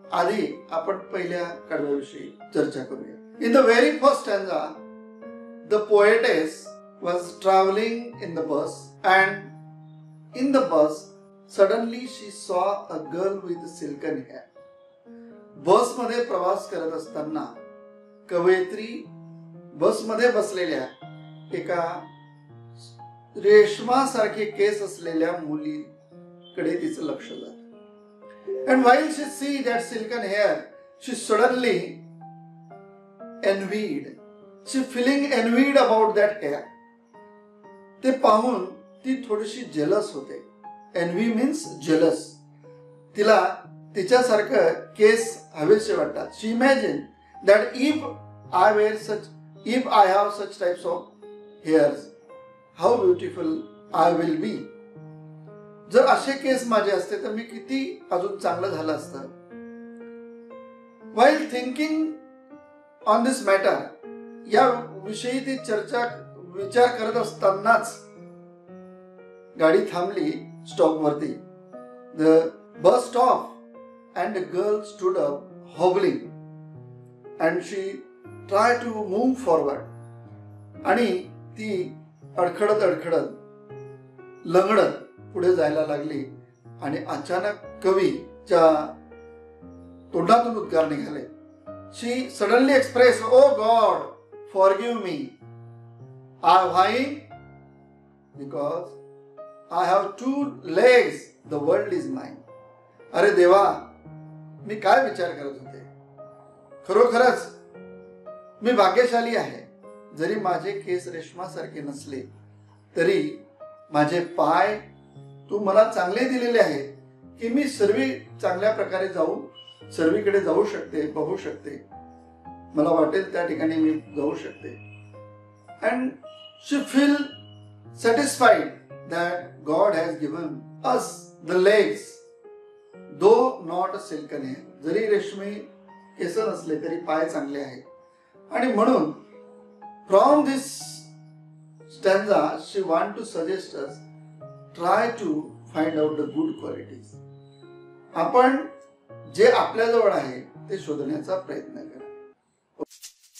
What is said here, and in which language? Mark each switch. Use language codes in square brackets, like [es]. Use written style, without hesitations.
[mr] Adi, apan pahilya kadvavishi charcha karuya. [en] In the very first stanza, the poetess was traveling in the bus and in the bus, suddenly she saw a girl with silken hair. [mr] Bus madhe pravas karat astanna, kavetri bus madhe baslelya एका रेशमासारखे केस असलेल्या मुलीकडे तिचं लक्ष झालं. [en] And while she see that silken hair she suddenly envied she feeling envied about that hair. [mr] ते पाहून ती थोडीशी जेलस होते. [en] Envy means jealous. [mr] तिला तिच्यासारखं केस हवेसे वाटतात. [en] She imagine that if I have such types of Here's how beautiful I will be. [mr] जर असे केस माझे असते तर मी किती अजून चांगलं झालं असतं. [en] While thinking on this matter, [mr] या विषयी ती चर्चा विचार करत असतानाच गाडी थांबली स्टॉप वरती. [en] The bus stopped and the girl stood up hobbling and she tried to move forward. [mr] आणि ती अडखडत अडखडत लंगडत पुढे जायला लागली आणि अचानक कवीच्या तोंडातून उद्गार निघाले. [en] She suddenly express oh God forgive me I why because I have two legs the world is mine. [mr] अरे देवा मी काय विचार करत होते. खरोखरच मी भाग्यशाली आहे. जरी माझे केस रेशमासारखे नसले तरी माझे पाय तू मला चांगले दिलेले आहे की मी सर्वी चांगल्या प्रकारे जाऊ सर्वीकडे जाऊ शकते बघू शकते मला वाटेल त्या ठिकाणी मी जाऊ शकते. [en] And she feel satisfied that God has given us the legs though not a silken hair. [mr] जरी रेशमी केस नसले तरी पाय चांगले आहे. आणि म्हणून [en] From this stanza, she want to suggest us try to find out the good qualities. [mr] आपण जे आपल्याजवळ आहे ते शोधण्याचा प्रयत्न करा.